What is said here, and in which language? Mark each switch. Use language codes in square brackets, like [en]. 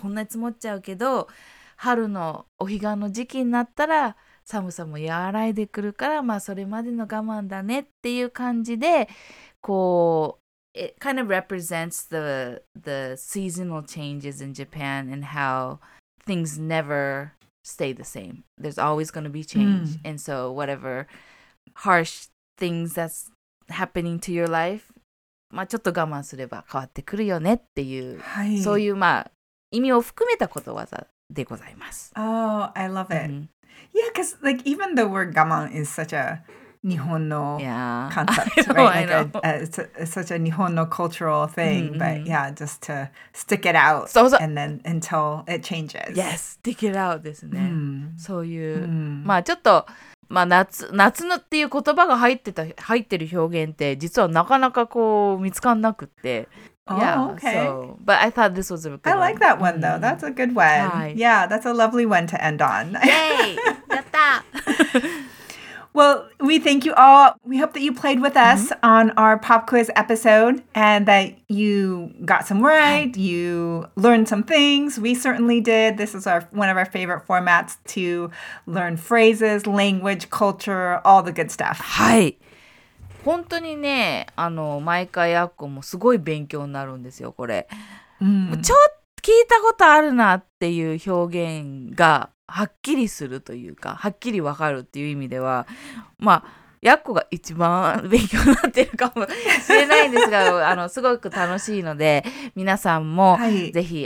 [ja] こんなに積もっちゃうけど、春のお彼岸の時期になったら寒さも和らいでくるから、まあそれまでの我慢だねっていう感じで、こう [en] It kind of represents the seasonal changes in Japan and how things never stay the same. There's always going to be change. Mm. And so whatever harsh things that's happening to your life, [ja] まあちょっと我慢すれば変わってくるよねっていう、はい、そういうまあ意味を含めたことわざでございます。 [en] Oh, I love it. Mm-hmm. Yeah, because like even the word 我慢 is such a... [ja] 日本の concept, [en] yeah. right? It's such a [ja] 日本の [en] cultural thing,、mm-hmm. but yeah, just to stick it out [ja] そうそう [en] and then until it changes. Yes, stick it out [ja] ですね。 Mm. そういう、mm. まあちょっと、まあ、夏のっていう言葉が入ってる表現って実はなかなかこう見つかんなくって。 [en] Oh, yeah, okay. So, but I thought this was a good one. I like that one, though. That's a good one. Yeah, that's a lovely one to end on. Yay! [ja] やった [en] Well, we thank you all. We hope that you played with us、mm-hmm. on our pop quiz episode and that you got some right, you learned some things. We certainly did. This is one of our favorite formats to learn phrases, language, culture, all the good stuff. [ja] はい。本当にね、あの、毎回アッコもすごい勉強になるんですよ、これ。 Mm. ちょっと聞いたことあるなっていう表現が。はっきりするというか、はっきりわかるっていう意味では、まあ、やっこが一番勉強になってるかもしれないんですが、あの、すごく楽しいので、皆さんもぜひ、